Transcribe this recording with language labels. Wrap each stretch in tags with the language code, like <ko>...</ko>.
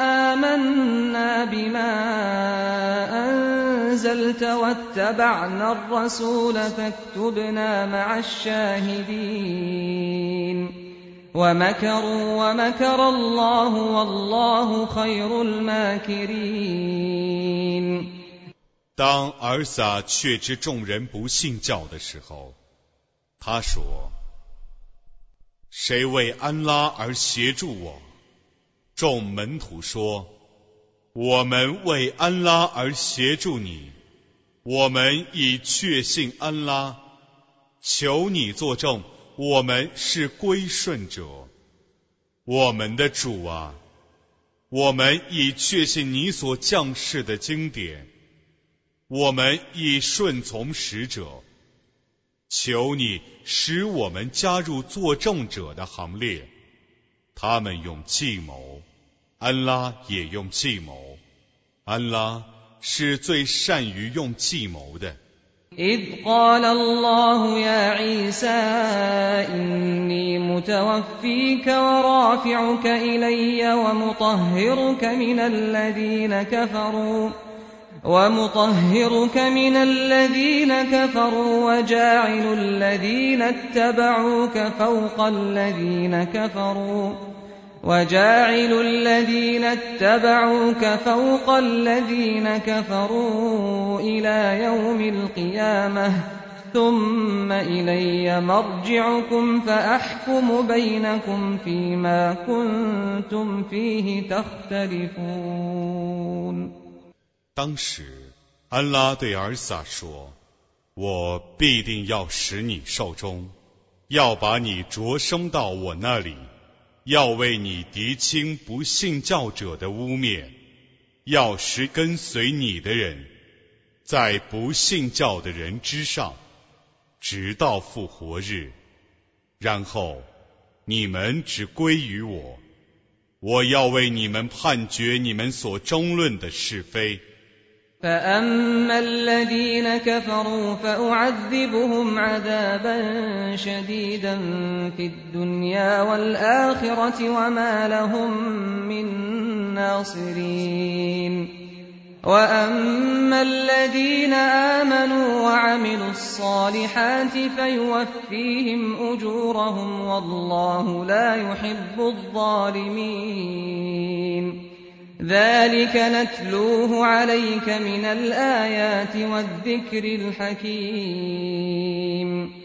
<ar>آمنا بما أنزلت واتبعنا الرسول فاكتبنا مع الشاهدين ومكروا ومكر الله والله خير الماكرين</ar> <zh>当尔撒确知众人不信教的时候，他说，谁为安拉而协助我？众门徒说，我们为安拉而协助你，我们已确信安拉，求你作证我们是归顺者。我们的主啊，我们已确信你所降世的经典，我们已顺从使者，求你使我们加入作证者的行列。他们用计谋，安拉也用计谋，安拉是最善于用计谋的。</zh> <ar>إذ قال الله يا عيسى إني متوفيك ورافعك إلي ومطهرك من الذين كفروا ومطهرك من الذين كفروا وجاعل الذين اتبعوك فوق الذين كفروا وجاعل الذين اتبعوك فوق الذين كفروا إلى يوم القيامة ثم إلي مرجعكم فأحكم بينكم فيما كنتم فيه تختلفون</ar> <zh>当时安拉对尔撒说我必定要使你受终要把你擢升到我那里要为你涤清不信教者的污蔑要使跟随你的人在不信教的人之上直到复活日然后你们只归于我我要为你们判决你们所争论的是非</zh> <ar>فأما الذين كفروا فأعذبهم عذابا شديدا في الدنيا والآخرة وما لهم من ناصرين وأما الذين آمنوا وعملوا الصالحات فيوفيهم أجورهم والله لا يحب الظالمين ذلك نتلوه عليك من الآيات والذكر الحكيم</ar>